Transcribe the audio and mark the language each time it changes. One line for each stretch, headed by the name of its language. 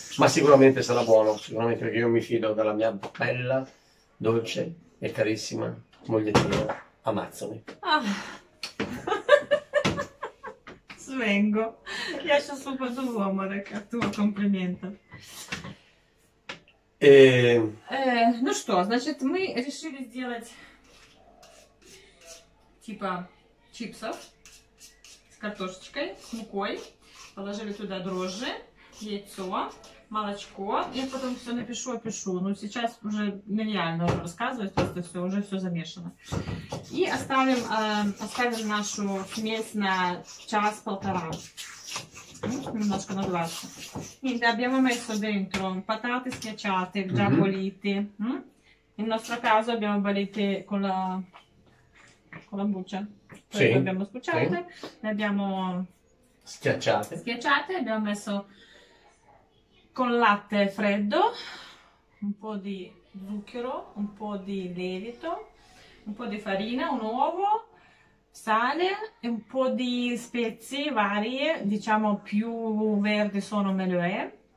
Italian: Ma sicuramente sarà buono, sicuramente, perché io mi fido della mia bella, dolce e carissima mogliettina Amazzoni. Ah. Svengo. Lascio sul posto l'uomo, Reca, tuo complimento.
Russian: Ну что, значит, мы решили сделать типа чипсов с картошечкой, с мукой. Положили туда дрожжи, яйцо, молочко. Я потом все напишу, опишу. Но сейчас уже нереально рассказывать, просто все, уже все замешано. И оставим, оставим нашу смесь на час-полтора. Немножко на 20.
Italian: Quindi abbiamo messo dentro patate schiacciate, già pulite. Nel nostro caso abbiamo pulite con la buccia. Poi sì. Le abbiamo spucciate, sì. Le abbiamo schiacciate. Abbiamo messo con latte freddo, un po' di zucchero, un po' di lievito, un po' di farina, un uovo, sale e un po' di spezie varie, diciamo più verde sono meglio è.